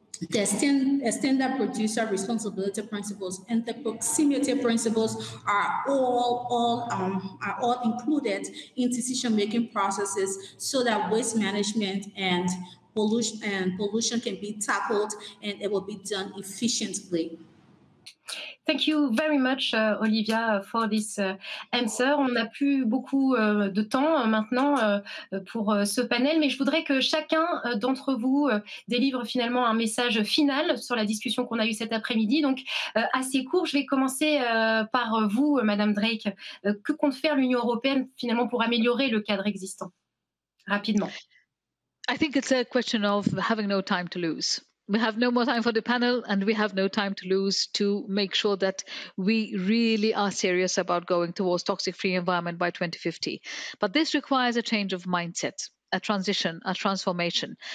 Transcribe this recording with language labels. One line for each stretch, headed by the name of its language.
English: the standard producer responsibility principles, and the proximity principles are all included in decision-making processes so that waste management and pollution can be tackled and it will be done efficiently. Thank you very much, Olivia, for this answer.
French: On n'a plus beaucoup de temps maintenant pour ce panel, mais je voudrais que chacun d'entre vous délivre finalement un message final sur la discussion qu'on a eue cet après-midi. Donc, assez court, je vais commencer par vous, Madame Drake. Que compte faire l'Union européenne finalement pour améliorer le cadre existant ? Rapidement.
English: I think it's a question of having no time to lose. We have no more time for the panel and we have no time to lose to make sure that we really are serious about going towards toxic-free environment by 2050. But this requires a change of mindset, a transition, a transformation.